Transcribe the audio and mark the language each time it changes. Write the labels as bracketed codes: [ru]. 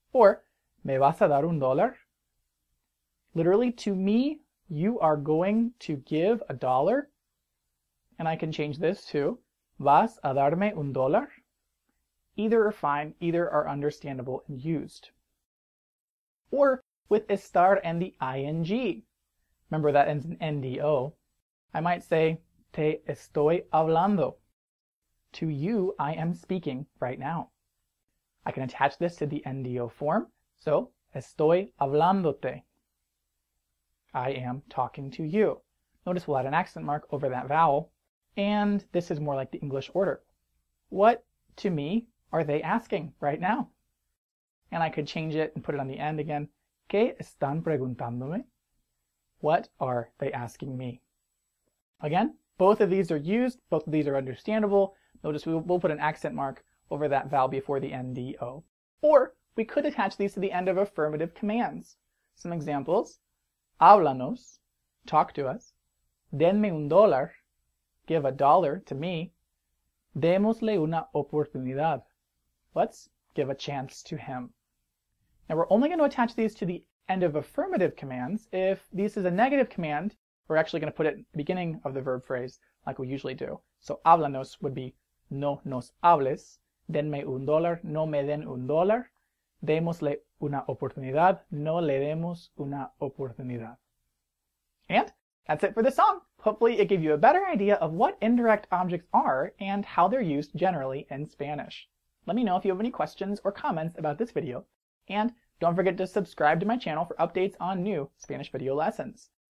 [en] Or, ¿me vas a dar un dólar? Literally, to me, you are going to give a dollar. And I can change this to, ¿vas a darme un dólar? Either are fine, either are understandable and used. Or, with estar and the ing. Remember, that ends in N-D-O. I might say, te estoy hablando. To you, I am speaking right now. I can attach this to the NDO form. So, estoy hablándote. I am talking to you. Notice we'll add an accent mark over that vowel. And this is more like the English order. What, to me, are they asking right now? And I could change it and put it on the end again. [es] ¿Qué están preguntándome? [en] What are they asking me? Again. Both of these are used, both of these are understandable. Notice we'll put an accent mark over that vowel before the N-D-O. Or we could attach these to the end of affirmative commands. Some examples, háblanos, talk to us, denme un dólar, give a dollar to me, démosle una oportunidad, let's give a chance to him. Now we're only going to attach these to the end of affirmative commands if this is a negative command. We're actually going to put it at the beginning of the verb phrase, like we usually do. So, háblanos would be no nos hables, [es] denme un dólar, no me den un dólar. Démosle una oportunidad, no le demos una oportunidad. [en] And that's it for the song. Hopefully it gave you a better idea of what indirect objects are and how they're used generally in Spanish. Let me know if you have any questions or comments about this video. And don't forget to subscribe to my channel for updates on new Spanish video lessons.